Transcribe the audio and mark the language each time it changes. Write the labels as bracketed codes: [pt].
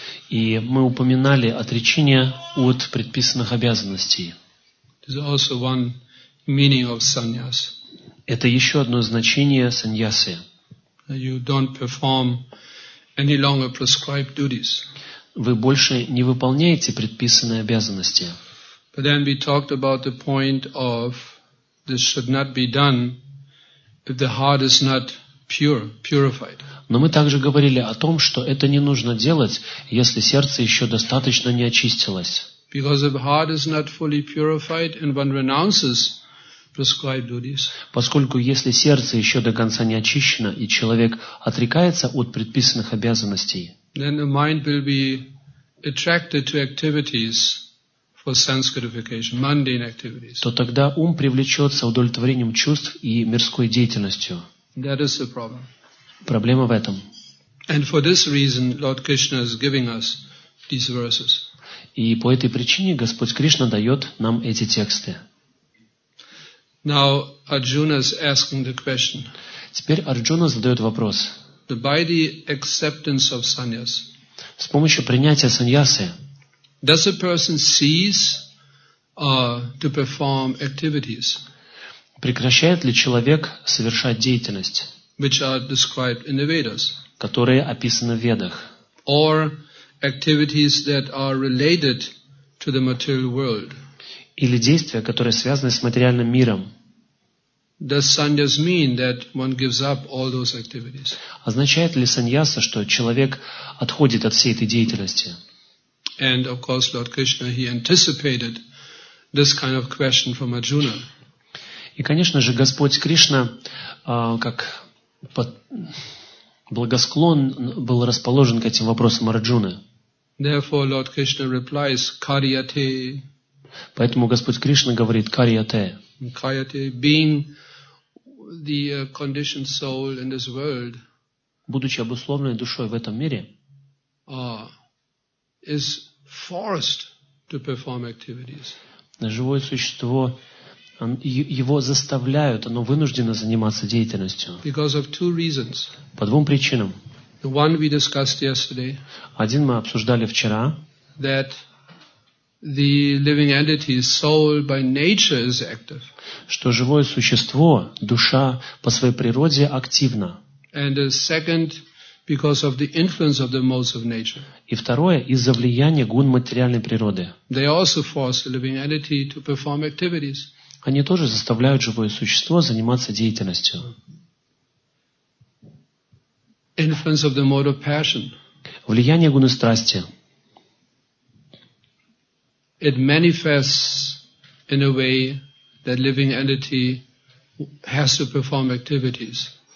[ru] И мы упоминали отречение от предписанных обязанностей. [en] This is also one meaning of sannyas. [ru] Это еще одно значение саньясы. [en] You don't perform any longer prescribed duties. [ru] Вы больше не выполняете предписанные обязанности. [en] But then we talked about the point of this should not be done if the heart is not pure, purified. [ru] Но мы также говорили о том, что это не нужно делать, если сердце еще достаточно не очистилось. [en] Because if heart is not fully purified and one renounces prescribed duties. [ru] Поскольку если сердце еще до конца не очищено и человек отрекается от предписанных обязанностей, [en] then the mind will be attracted to activities for sense gratification, mundane activities. [ru] То тогда ум привлечется удовлетворением чувств и мирской деятельностью. [en] That is the problem. [ru] Проблема в этом. [en] And for this reason, Lord Krishna is giving us these verses. [ru] И по этой причине Господь Кришна дает нам эти тексты. [en] Now Arjuna is asking the question. [ru] Теперь Арджуна задает вопрос. [en] By the acceptance of sannyas. [ru] С помощью принятия саньясы. [en] Does a person cease to perform activities? [ru] Прекращает ли человек совершать деятельность? [en] Which are described in the Vedas, [ru] которые описаны в Ведах, [en] or activities that are related to the material world, [ru] или действия, которые связаны с материальным миром. [en] Does sannyas mean that one gives up all those activities? [ru] Означает ли саньяса, что человек отходит от всей этой деятельности? [en] And of course, Lord Krishna, he anticipated this kind of question from Arjuna. [ru] И, конечно же, Господь Кришна, как благосклон был расположен к этим вопросам Арджуны. [en] Therefore, Lord Krishna replies, "Karyate." [ru] Поэтому Господь Кришна говорит, "Karyate." [en] Karyate, being the conditioned soul in this world, [ru] будучи обусловленной душой в этом мире, [en] is forced to perform activities. [ru] Живое существо, его заставляют, оно вынуждено заниматься деятельностью. [en] Because of two reasons. [ru] По двум причинам. [en] One we discussed yesterday. [ru] Один мы обсуждали вчера. [en] That the living entity, soul, by nature is active. [ru] Что живое существо, душа, по своей природе активна. [en] And the second, because of the influence of the modes of nature. [ru] И второе, из-за влияния гун материальной природы. [en] They also force the living entity to perform activities. [ru] Они тоже заставляют живое существо заниматься деятельностью. [en] Influence of the mode of passion. [ru] Влияние гуны страсти. [en] It manifests in a way that living entity has to perform activities.